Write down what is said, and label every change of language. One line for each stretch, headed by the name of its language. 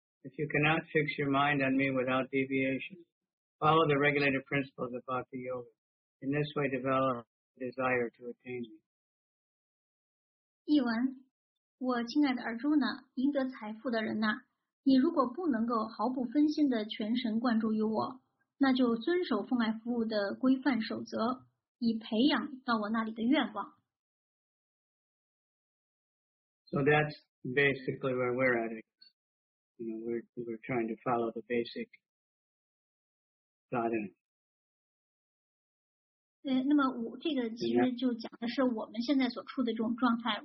English: If you cannot fix your mind on me without deviation, follow the regulated principles of Bhakti Yoga. In this way, develop a desire to attain me.
Chinese: 译文，我亲爱的尔朱呢，赢得财富的人呐、啊，你如果不能够毫不分心的全神贯注于我，那就遵守奉爱服务的规范守则，以培养到我那里的愿望。
English: So that's. Basically, where we're at, you know, we're trying to follow the basic sadhana.
Chinese: 那么我这个其实就讲的是我们现在所处的这种状态。